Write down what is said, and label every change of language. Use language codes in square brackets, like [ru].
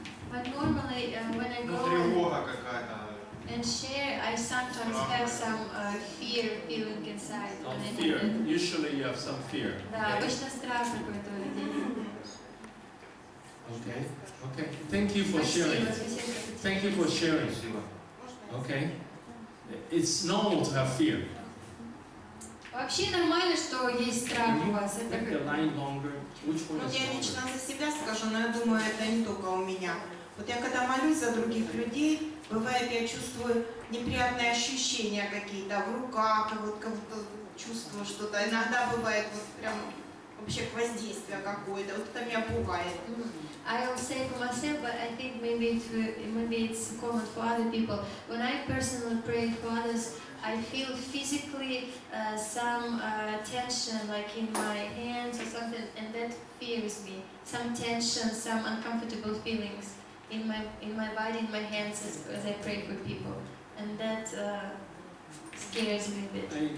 [en] But normally, when I go and share, I sometimes have some fear feeling inside. Some fear. Usually you have some fear. [ru] Да, обычно страх какой-то у людей. [en] Okay. Okay. Thank you for sharing. Thank you for sharing, Shiva. Okay. It's normal to have fear. [ru] Вообще нормально, что есть страх у вас. Это вот я лично за себя скажу, но я думаю, это не только у меня. Вот я когда молюсь за других людей, бывает, я чувствую неприятные ощущения какие-то в руках, вот как-то чувствую что-то. Иногда бывает вот прям вообще воздействие какое-то. Вот это меня пугает. [en] I will say for myself, but I think maybe it's common for other people. When I personally pray for others, I feel physically some tension, like in my hands or something, and that fears me. Some tension, some uncomfortable feelings in my body, in my hands as I pray for people, and that scares me a bit.